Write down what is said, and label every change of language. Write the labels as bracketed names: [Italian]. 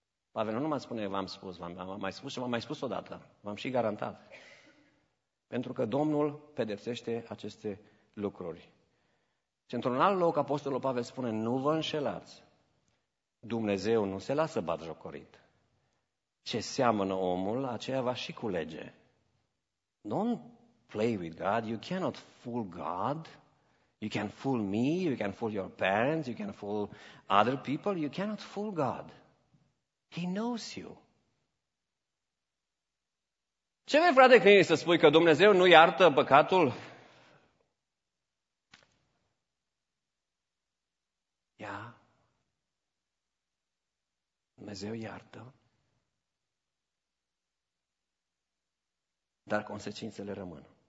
[Romanian] Pavel nu numai spune, v-am spus, v-am mai spus și v-am mai spus odată, v-am și garantat. Pentru că Domnul pedepsește aceste lucruri. Și într-un alt loc, Apostolul Pavel spune, nu vă înșelați, Dumnezeu nu se lasă batjocorit. Ce seamănă omul, aceea va și culege. [English] Don't play with God, you cannot fool God. You can fool me, you can fool your parents, you can fool other people, you cannot fool God. He knows you. [Romanian] Ce vrei, frate, când îi să spui că Dumnezeu nu iartă păcatul? Ia? Dumnezeu iartă, dar consecințele rămân.